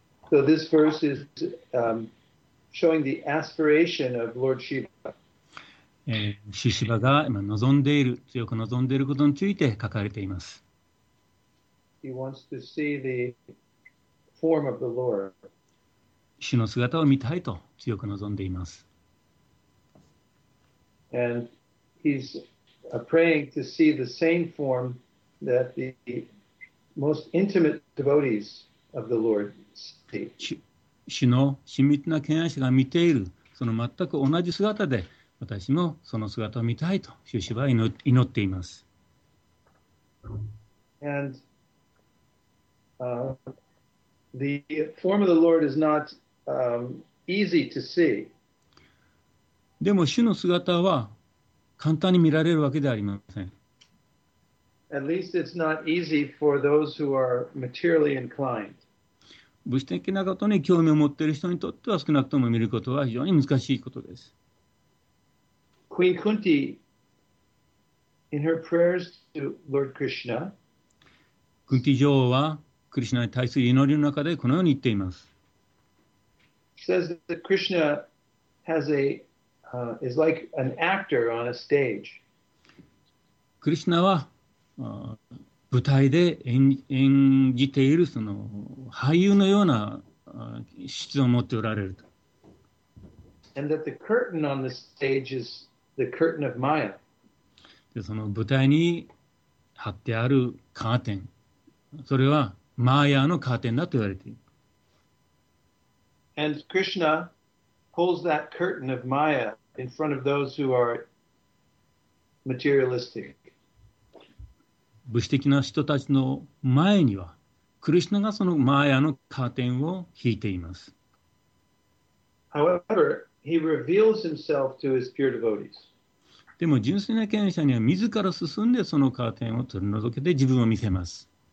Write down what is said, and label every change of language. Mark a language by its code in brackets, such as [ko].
[en] So this verse is showing the aspiration of Lord Shiva. [ja] Shiva が今望んでいる、強く望んでいることについて書かれています。 [en] He wants to see the form of the Lord. [ja] 主の姿を見たいと強く望んでいます。 [en] And he's praying to see the same form that the most intimate devotees of the Lord see. [ja] 主の親密な敬愛者が見ているその全く同じ姿で、私もその姿を見たいと主シヴァは祈っています。 [en] And the form of the Lord is not easy to see. [ja] でも主の姿は簡単に見られるわけではありません。 [en] At least it's not easy for those who are materially inclined. [ja] 物質的なことに興味を持っている人にとっては少なくとも見ることは非常に難しいことです。 [en] Queen Kunti in her prayers to Lord Krishna, [ja] Kunti 女王はクリシュナに対する祈りの中でこのように言っています。 [en] Says that Krishna has a, is like an actor on a stage. [ja] クリシュナは舞台で演じているその俳優のような質を持っておられると。 [en] And that the curtain on the stage is the curtain of Maya. [ja] で、その舞台に貼ってあるカーテン、それはマーヤのカーテンだと言われている。 [en] And Krishna pulls that curtain of Maya in front of those who are materialistic. [ja] 物質的な人たちの前にはクリシナがそのマーヤのカーテンを引いています。 [en] However, he reveals himself to his pure devotees. [ja] でも純粋な権威者には自ら進んでそのカーテンを取り除けて自分を見せます。